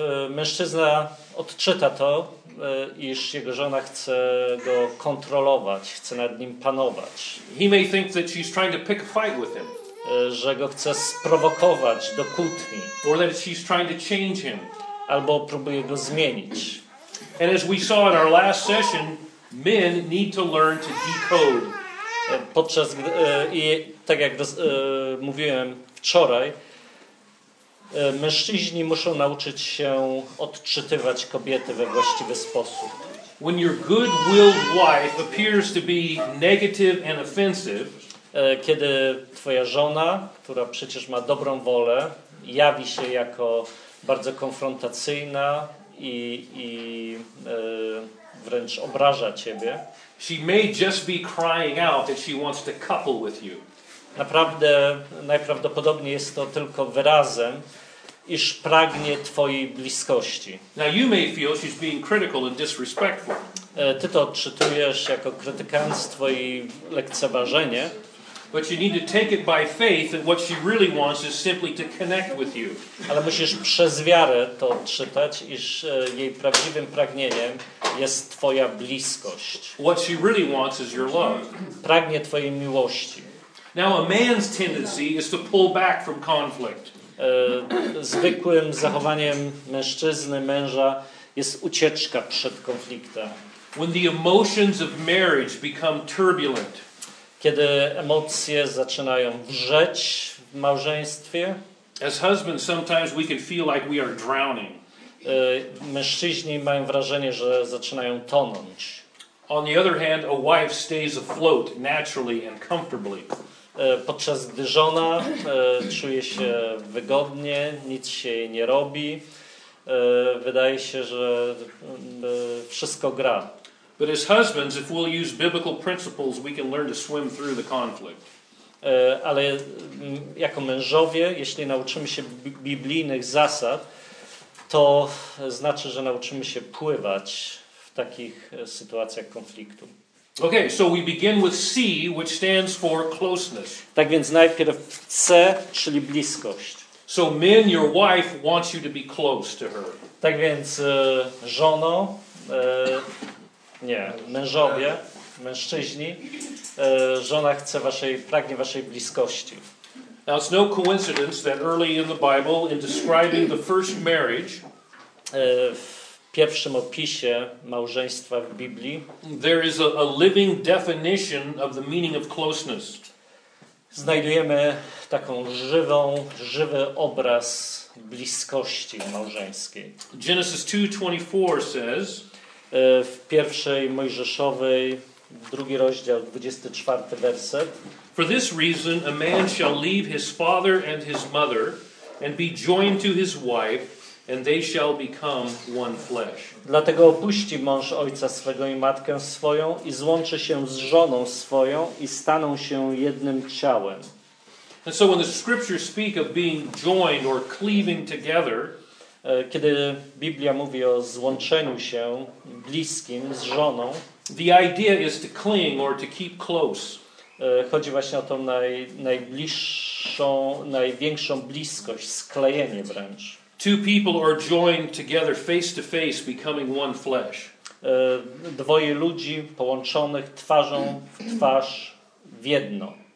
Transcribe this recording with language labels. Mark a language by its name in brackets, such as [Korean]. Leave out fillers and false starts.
[Polish] Mężczyzna odczyta to, iż jego żona chce go kontrolować, chce nad nim panować. [English] He may think that she's trying to pick a fight with him. [Polish] Że go chce sprowokować do kłótni. [English] Or that she's trying to change him. [Polish] Albo próbuje go zmienić. [English] And as we saw in our last session, men need to learn to decode. [Polish] Podczas i tak jak mówiłem wczoraj, mężczyźni muszą nauczyć się odczytywać kobiety we właściwy sposób. [English] When your good-willed wife appears to be negative and offensive, [Polish] kiedy twoja żona, która przecież ma dobrą wolę, jawi się jako bardzo konfrontacyjna i wręcz obraża ciebie, [English] she may just be crying out that she wants to couple with you. [Polish] Naprawdę, najprawdopodobniej jest to tylko wyrazem, iż pragnie twojej bliskości. [English] Now you may feel she's being critical and disrespectful. [Polish] Ty to odczytujesz jako krytykanstwo i lekceważenie. [English] But you need to take it by faith that what she really wants is simply to connect with you. [Polish] Ale musisz przez wiarę to odczytać, iż jej prawdziwym pragnieniem jest twoja bliskość. [English] What she really wants is your love. [Polish] Pragnie twojej miłości. [English] Now a man's tendency is to pull back from conflict. [Polish] zwykłym zachowaniem mężczyzny, męża, jest ucieczka przed konfliktem. [English] When the emotions of marriage become turbulent, [Polish] kiedy emocje zaczynają wrzeć w małżeństwie, [English] as husbands, sometimes we can feel like we are drowning. [Polish] Mężczyźni mają wrażenie, że zaczynają tonąć. [English] On the other hand, a wife stays afloat naturally and comfortably. [Polish] Podczas gdy żona czuje się wygodnie, nic się jej nie robi, wydaje się, że wszystko gra. [English] But as husbands, if we'll use biblical principles, we can learn to swim through the conflict. [Polish] Ale jako mężowie, jeśli nauczymy się biblijnych zasad, to znaczy, że nauczymy się pływać w takich sytuacjach konfliktu. [English] Okay, so we begin with C, which stands for closeness. [Polish] Tak więc najpierw C, czyli bliskość. [English] So men, your wife wants you to be close to her. [Polish] Tak więc żono, nie, mężowie, mężczyźni, żona chce waszej, pragnie waszej bliskości. [English] Now it's no coincidence that early in the Bible, in describing the first marriage, [Polish] w pierwszym opisie małżeństwa w Biblii, [English] there is a living definition of the meaning of closeness. [Polish] Znajdujemy taką żywy obraz bliskości małżeńskiej. [English] Genesis 2:24 says, [Polish] w pierwszej Mojżeszowej, drugi rozdział, 24 werset. [English] For this reason a man shall leave his father and his mother and be joined to his wife and they shall become one flesh. [Polish] Dlatego opuści mąż ojca swego i matkę swoją i złączy się z żoną swoją i staną się jednym ciałem. [English] And so when the scriptures speak of being joined or cleaving together, [Polish] kiedy Biblia mówi o złączeniu się bliskim z żoną, [English] the idea is to cling or to keep close. [Polish] Chodzi właśnie o tą najbliższą, największą bliskość, sklejenie wręcz. [English] Two people are joined together face to face, becoming one flesh. [Polish] Dwoje ludzi połączonych twarzą w twarz w jedno.